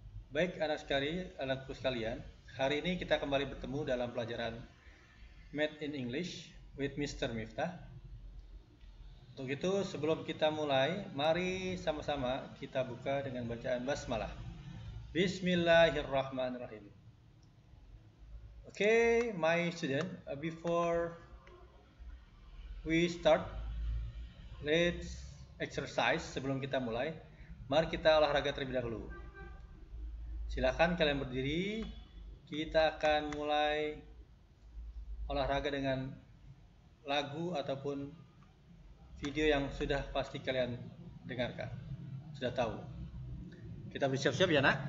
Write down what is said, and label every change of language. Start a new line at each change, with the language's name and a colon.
Indonesian: Baik anak-anakku sekalian, hari ini kita kembali bertemu dalam pelajaran Math in English with Mr. Miftah. Untuk itu sebelum kita mulai, mari sama-sama kita buka dengan bacaan basmalah.
Arabic: Bismillahirrahmanirrahim.
English: Okay, my student, before we start, let's exercise.
Indonesian: Sebelum kita mulai, mari kita olahraga terlebih dahulu. Silakan kalian berdiri. Kita akan mulai olahraga dengan lagu ataupun video yang sudah pasti kalian dengarkan. Sudah tahu. Kita bersiap-siap ya, Nak?